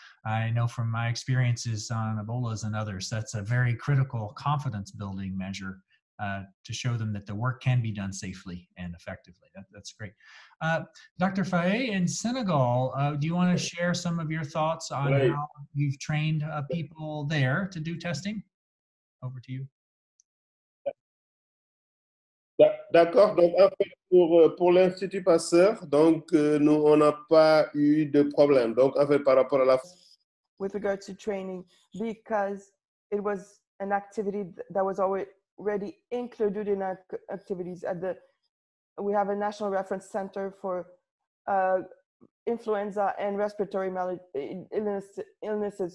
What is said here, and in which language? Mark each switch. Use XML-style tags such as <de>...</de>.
<en>I know from my experiences on Ebola's and others, that's a very critical confidence building measure to show them that the work can be done safely and effectively. That's great. Dr. Faye, in Senegal, do you want to share some of your thoughts on right. how you've trained people there to do testing? Over to you.</en> <fr>D'accord. Donc, en fait, pour l'Institut Pasteur, donc, nous, on n'a pas eu de problème. Donc, en fait, par rapport à la...</fr> <en>With regard to training, because it was an activity that was already included in our activities at the... We have a National Reference Center for Influenza and Respiratory Illnesses.</en>